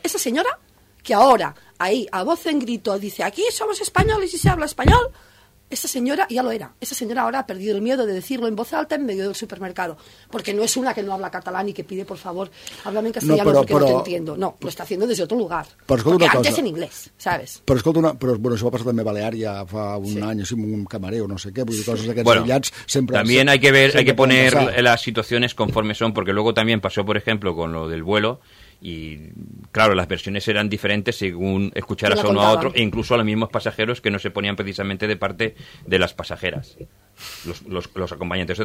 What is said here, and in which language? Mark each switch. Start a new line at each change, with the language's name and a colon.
Spanish: Esa señora que ahora, ahí, a voz en grito, dice, aquí somos españoles y se habla español, esa señora ya lo era. Esa señora ahora ha perdido el miedo de decirlo en voz alta en medio del supermercado. Porque no es una que no habla catalán y que pide, por favor, háblame en castellano, porque no te entiendo. No, lo está haciendo desde otro lugar. Antes en inglés, ¿sabes?
Catalan: Però escolta una cosa. Però, bueno, això va passar també a Balear ja fa un any, així, amb un camarer o no sé què. Vull dir, coses d'aquests aïllats sempre...
Spanish: También hay que ver, hay que poner las situaciones conforme son, porque luego también pasó, por ejemplo, con lo del vuelo. Y claro, las versiones eran diferentes según escucharas a uno a otro, e incluso a los mismos pasajeros que no se ponían precisamente de parte de las pasajeras, los acompañantes.